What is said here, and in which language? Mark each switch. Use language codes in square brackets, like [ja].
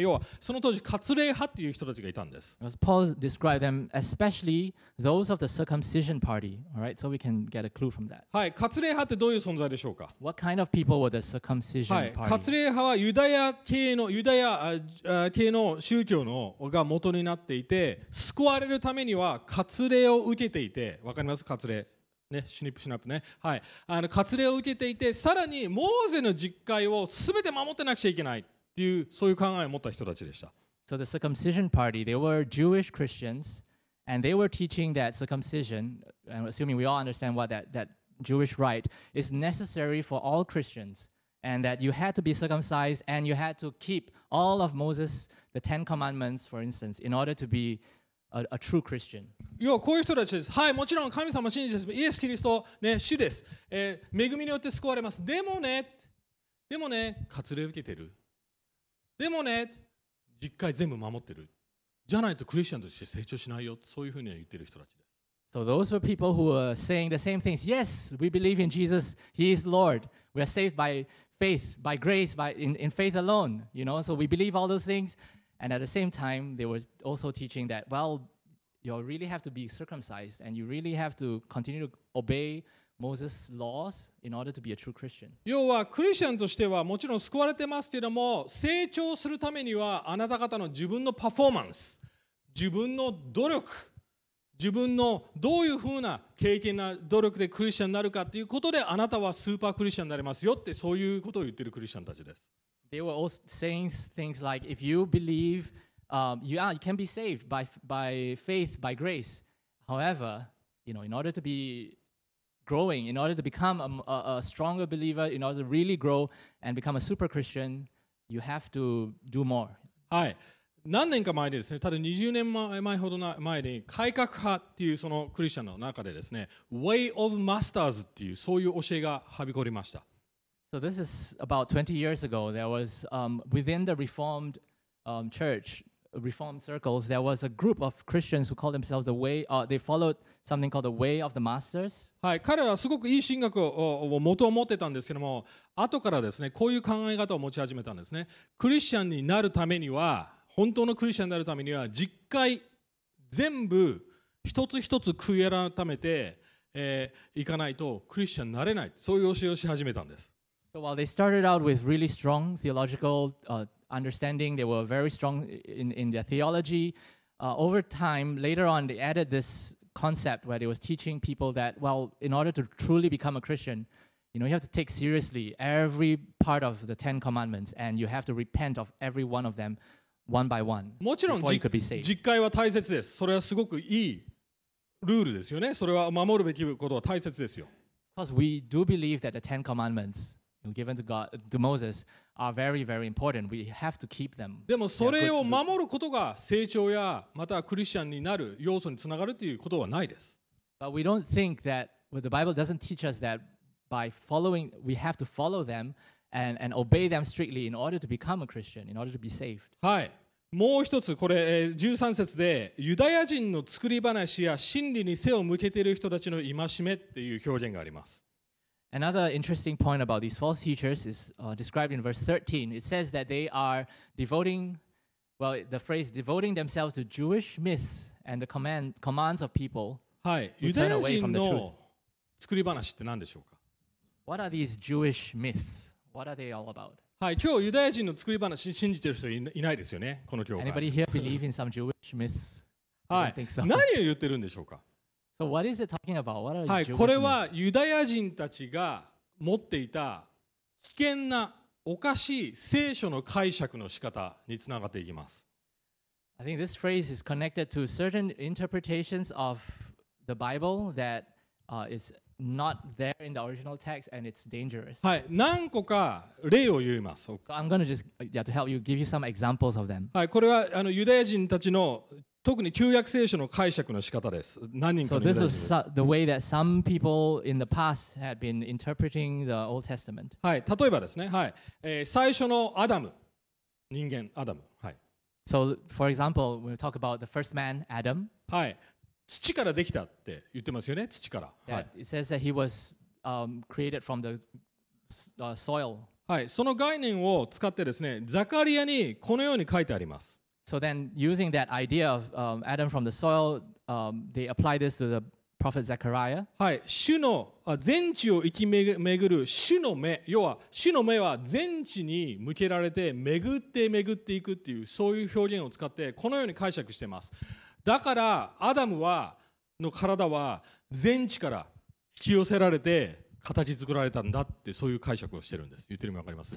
[ja] 要はその当時割礼派っていう人たちがいたんです。 [en] As Paul described them, especially those of the circumcision party. All right, so we can get a clue from that. [ja] はい、割礼派ってどういう存在でしょうか。 [en] What kind of people were the circumcision party? [ja] はい、割礼派はユダヤ系の宗教のが元になっていて、救われるためには割礼を受けていて、わかります？割礼。ね、シュニップシュナップね、はい、割礼を受けていて、さらにモーゼの実戒を全て守ってなくちゃいけないっていうそういう考えを持った人たちでした。 [en] So the circumcision party, they were Jewish Christians, and they were teaching that circumcision, assuming we all understand what that Jewish rite is necessary for all Christians, and that you had to be circumcised and you had to keep all of Moses, the Ten Commandments, for instance, in order to be a true Christian. [ja] 要はこういう人たちです。はい、もちろん神様信じてます。イエス・キリスト、ね、主です、恵みによって救われます。でもね、割礼受けてる。でもね、実戒全部守ってる。じゃないとクリスチャンとして成長しないよ。そういうふうに言ってる人たちです。 [en] So those were people who were saying the same things. Yes, we believe in Jesus. He is Lord. We are saved by faith, by grace, in faith alone. You know, so we believe all those things. And at the same time, they were also teaching that, well,You really have to be circumcised and you really have to continue to obey Moses' laws in order to be a true Christian. [ja] 要はクリスチャンとしてはもちろん救われてますけども、成長するためにはあなた方の自分のパフォーマンス、自分の努力、自分のどういうふうな経験な努力でクリスチャンになるかということで、あなたはスーパークリスチャンになりますよって、そういうことを言ってるクリスチャンたちです。 [en] They were all saying things like, if you believeYou can be saved by faith, by grace. However, you know, in order to be growing, in order to become a stronger believer, in order to really grow and become a super Christian, you have to do more. [ja] はい。何年か前にですね、ただ20年前ほど前に、改革派っていうそのクリスチャンの中でですね、Way of Masters っていうそういう教えがはびこりました。 [en] So this is about 20 years ago. There was within the Reformed church,Reformed circles, there was a group of Christians who called themselves the Way. They followed something called the Way of the Masters. [ja] はい、彼らはすごくいい神学を元を持ってたんですけども、後からですね、こういう考え方を持ち始めたんですね。クリスチャンになるためには、本当のクリスチャンになるためには、実戒全部一つ一つ悔い改めて、いかないとクリスチャンになれない。そういう教えをし始めたんです。 [en] So while they started out with really strong theological understanding, they were very strong in their theology. Over time, later on, they added this concept where they was teaching people that, well, in order to truly become a Christian, you know, you have to take seriously every part of the Ten Commandments and you have to repent of every one of them one by one before you could be saved. [ja] 実戒は大切です。それはすごくいいルールですよね。それは守るべきことは大切ですよ。 [en] Because we do believe that the Ten Commandments. Given to God, to Moses, are very, very important. We have to keep them. [ja] でもそれを守ることが成長やまたクリスチャンになる要素につながるということはないです。 [en] But we don't think that the Bible doesn't teach us that by following, we have to follow them and obey them strictly in order to become a Christian, in order to be saved. [ja] はい。もう一つこれ13節でユダヤ人の作り話や真理に背を向けている人たちの戒めっていう表現があります。 [en] Another interesting point about these false teachers is described in verse 13. It says that they are devoting themselves to Jewish myths and the commands of people who turn away from the truth. [ja] 作り話って何でしょうか? [en] What are these Jewish myths? What are they all about? [ja] はい、今日ユダヤ人の作り話信じてる人いないですよね、この教会。 [en] Anybody here believe in some Jewish myths? [ja] はい、何を言ってるんでしょうか? [en] So what is it talking about? What are you? [ja] はい、これはユダヤ人たちが持っていた危険なおかしい聖書の解釈の仕方につながっていきます。 [en] I think this phrase is connected to certain interpretations of the Bible that is not there in the original text and it's dangerous. [ja] はい、何個か例を言います。 [en] So I'm going to just to help you give you some examples of them. [ja] はい、これはユダヤ人たちの特に旧約聖書の解釈の仕方です。何人かの [en] So this was the way that some people in the past had been interpreting the Old Testament. [ja] はい、例えばですね、はい、最初のアダム、人間アダム、はい。 [en] So for example, we talk about the first man, Adam. [ja] はい、土からできたって言ってますよね、土から。 [en] Yeah, it says that he was created from the soil. [ja] はい、その概念を使ってですね、ザカリアにこのように書いてあります。 [en] So then, using that idea of Adam from the soil, they apply this to the prophet Zechariah. [ja] はい、主の全地を生きめぐる主の目、要は主の目は全地に向けられて巡って巡っていくっていうそういう表現を使ってこのように解釈しています。だからアダムはの体は全地から引き寄せられて形作られたんだってそういう解釈をしてるんです。言ってる意味わかります。